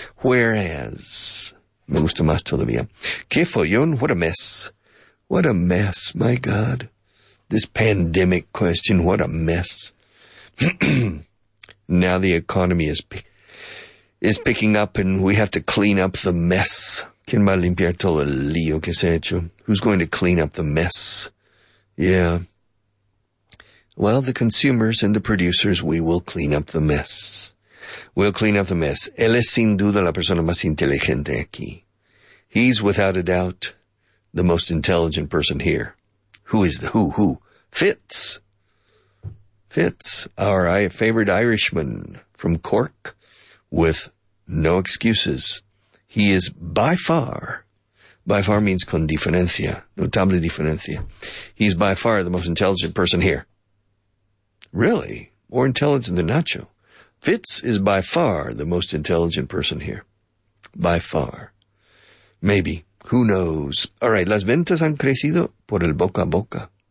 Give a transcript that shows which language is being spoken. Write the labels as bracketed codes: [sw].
[en] Whereas, me gusta más todavía. Qué follón, what a mess. What a mess, my God. this pandemic question, what a mess. Now the economy is picking up and we have to clean up the mess. [es] ¿Quién va a limpiar todo el lío que se ha hecho? [en] Who's going to clean up the mess? Yeah. Well, the consumers and the producers, we will clean up the mess. We'll clean up the mess. [es] Él es sin duda la persona más inteligente aquí. [en] He's without a doubt the most intelligent person here. Who is the who? Fitz. Fitz, our favorite Irishman from Cork, with no excuses. He is by far means con diferencia, notable diferencia. He's by far the most intelligent person here. Really? More intelligent than Nacho. Fitz is by far the most intelligent person here. By far. Maybe. Who knows? All right. [es] Las ventas han crecido por el boca a boca.